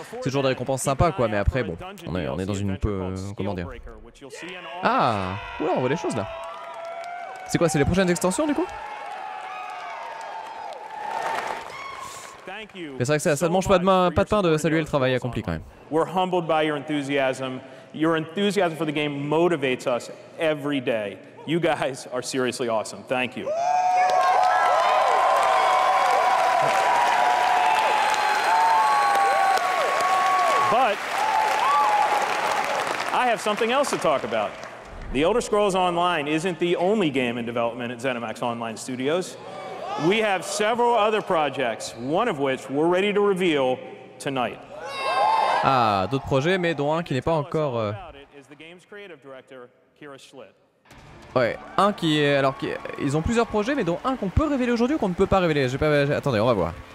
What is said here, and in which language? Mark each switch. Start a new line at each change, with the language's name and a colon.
French: C'est toujours des récompenses sympas, quoi. Mais après, bon, on est dans une... comment dire. Ah, oula, on voit des choses, là. C'est quoi, c'est les prochaines extensions, du coup? Mais c'est vrai que ça ne mange pas de pain de saluer le travail accompli quand même.
English: We're humbled by your enthusiasm. Your enthusiasm for the game motivates us every day. You guys are seriously awesome. Thank you. But I have something else to talk about. The Elder Scrolls Online isn't the only game in development at ZeniMax Online Studios. We have several other projects, one of which we're ready to reveal tonight.
French: Ah, d'autres projets, mais dont un qui n'est pas encore... Ouais, un qui est... Alors, ils ont plusieurs projets, mais dont un qu'on peut révéler aujourd'hui ou qu'on ne peut pas révéler. J'ai pas... Attendez, on va voir.